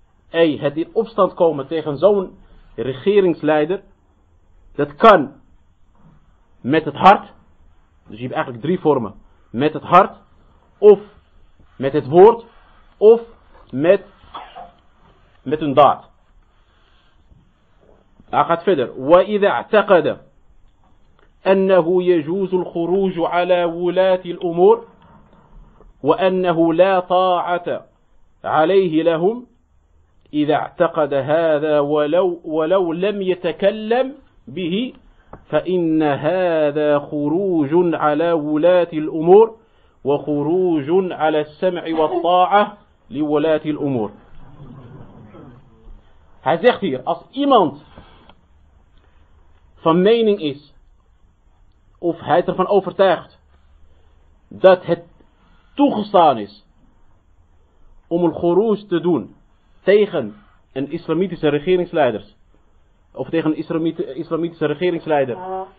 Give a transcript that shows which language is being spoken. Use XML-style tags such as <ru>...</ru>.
<nl>Ey, het in opstand komen tegen zo'n regeringsleider, dat kan met het hart. Dus je hebt eigenlijk drie vormen. Met het hart, of met het woord, of met een daad. Hij gaat verder.</nl> <ar>وَإِذَا اَعْتَقَدَ أَنَّهُ يَجُوزُ الْخُرُوجُ عَلَى وُلَاتِ الْأُمُورِ وَأَنَّهُ لَا طَاعَةَ عَلَيْهِ لَهُمْ إِذَا اَعْتَقَدَ هَذَا وَلَوْ لَمْ يَتَكَلَّمْ بِهِ فإن هذا خروج على ولاة الأمور وخروج على السمع والطاعة لولاة الأمور.</ar> <nl>Hij zegt hier, als iemand van mening is, of hij is ervan overtuigd dat het toegestaan is om een خروج te doen tegen een islamitische regeringsleiders, of tegen een islamitische regeringsleider.</nl>